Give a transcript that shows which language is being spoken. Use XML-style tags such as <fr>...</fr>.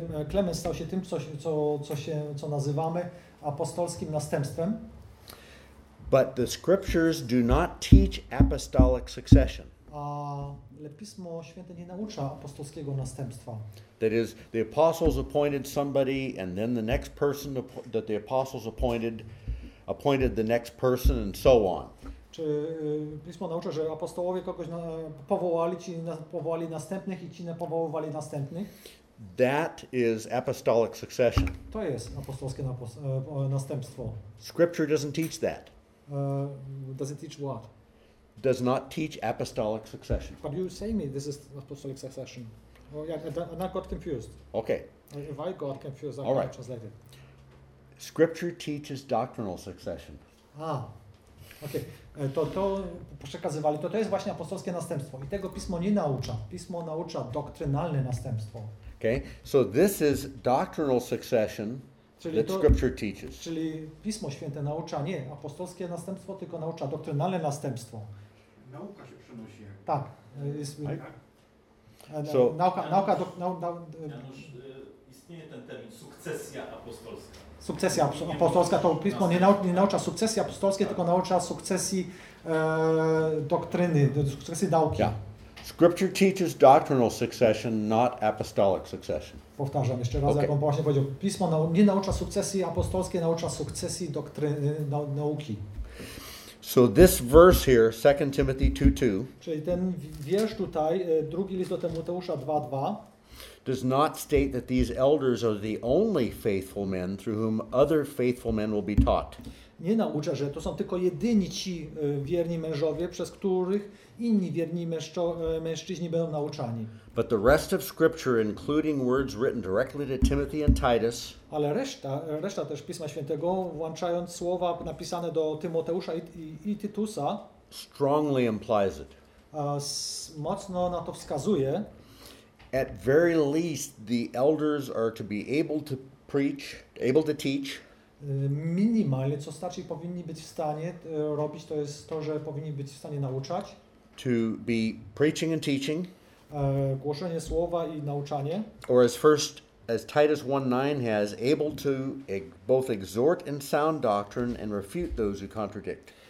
<pl>Clement stał się tym, co nazywamy apostolskim następstwem.</pl> <en>But the scriptures do not teach apostolic succession.</en> <pl>Ale Pismo Święte nie naucza apostolskiego następstwa.</pl> <en>That is, the apostles appointed somebody, and then the next person that the apostles appointed the next person, and so on.</en> <pl>Czy Pismo naucza, że apostołowie kogoś powołali, ci powołali następnych i ci nie powoływali następnych?</pl> <en>That is apostolic succession.</en> <pl>To jest apostolskie następstwo.</pl> <en>Scripture doesn't teach that. Does it teach what? Does not teach apostolic succession. But you say me this is apostolic succession. Oh yeah, and I got confused. Okay. If I got confused, I'm going to translate it. Scripture teaches doctrinal succession. Ah, okay.</en> <pl>To przekazywali, to jest właśnie apostolskie następstwo. I tego Pismo nie naucza. Pismo naucza doktrynalne następstwo.</pl> <en>Okay, so this is doctrinal succession.</en> <pl>Czyli</pl> <en>that scripture teaches.</en> <pl>Czyli Pismo Święte naucza nie apostolskie następstwo, tylko naucza doktrynalne następstwo. Nauka się przenosi. Tak. Jest,</pl> <en>right? So,</en> <pl>nauka Janusz, istnieje ten termin sukcesja apostolska. Sukcesja apostolska to Pismo nie naucza sukcesji apostolskiej, tak. Tylko naucza sukcesji doktryny, sukcesji nauki.</pl> <en>Yeah. Scripture teaches doctrinal succession, not apostolic succession.</en> <pl>Powtarzam jeszcze raz, okay. Jak on właśnie powiedział. Pismo nie naucza sukcesji apostolskiej, naucza sukcesji doktryny nauki.</pl> <en>So this verse here, 2 Timothy 2:2.</en> <pl>Czyli ten wiersz tutaj, drugi list do Tymoteusza 2:2.</pl> <en>Does not state that these elders are the only faithful men through whom other faithful men will be taught.</en> <pl>Nie naucza, że to są tylko jedyni ci wierni mężowie, przez których inni wierni mężczyźni będą nauczani.</pl> <en>But the rest of scripture, including words written directly to Timothy and Titus.</en> <pl>Ale reszta też Pisma Świętego, włączając słowa napisane do Tymoteusza i Tytusa.</pl> <en>strongly implies it.</en> <pl>Mocno na to wskazuje.</pl> <en>At very least, the elders are to be able to preach, able to teach.</en> <pl>Minimalnie, co starsi powinni być w stanie robić, to jest to, że powinni być w stanie nauczać.</pl> <en>To be preaching and teaching.</en> <pl>Głoszenie słowa i nauczanie.</pl> <en>Or as first, as Titus 1:9 has, able to both exhort in sound doctrine and refute those who contradict.</en>